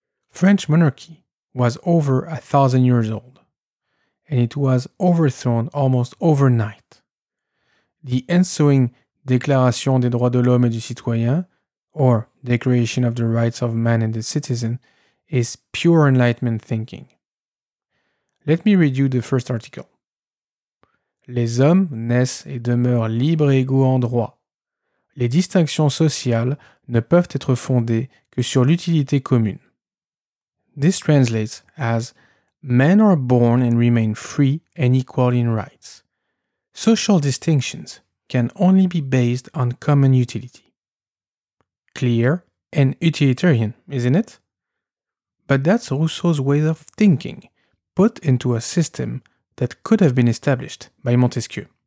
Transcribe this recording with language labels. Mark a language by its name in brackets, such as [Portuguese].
[English] French monarchy was over 1,000 years old, and it was overthrown almost overnight. The ensuing Déclaration des droits de l'homme et du citoyen, or Declaration of the Rights of Man and the Citizen, is pure Enlightenment thinking. Let me read you the first article. [French] Les hommes naissent et demeurent libres et égaux en droit. Les distinctions sociales ne peuvent être fondées que sur l'utilité commune. [English] This translates as, men are born and remain free and equal in rights. Social distinctions can only be based on common utility. Clear and utilitarian, isn't it? But that's Rousseau's way of thinking, put into a system that could have been established by Montesquieu.